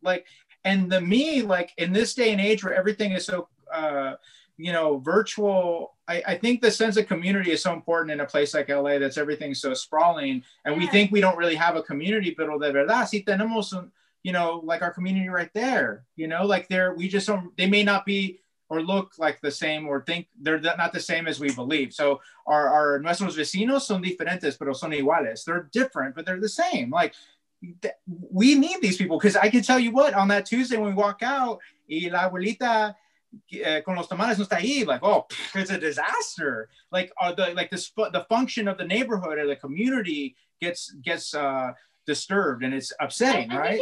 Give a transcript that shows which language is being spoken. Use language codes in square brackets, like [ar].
[en] Like, and the me, like in this day and age where everything is so, you know, virtual, I think the sense of community is so important in a place like LA that's everything so sprawling. And yeah, we think we don't really have a community, [es] pero de verdad, si tenemos, [en] you know, like our community right there, you know, like they're, we just don't, they may not be or look like the same or think they're not the same as we believe. So our [es] nuestros vecinos son diferentes, pero son iguales. [en] They're different, but they're the same. Like, we need these people, because I can tell you what, on that Tuesday when we walk out, [es] y la abuelita con los tamales no está ahí, [en] like, oh, it's a disaster. Like, the function of the neighborhood or the community gets disturbed, and it's upsetting, right?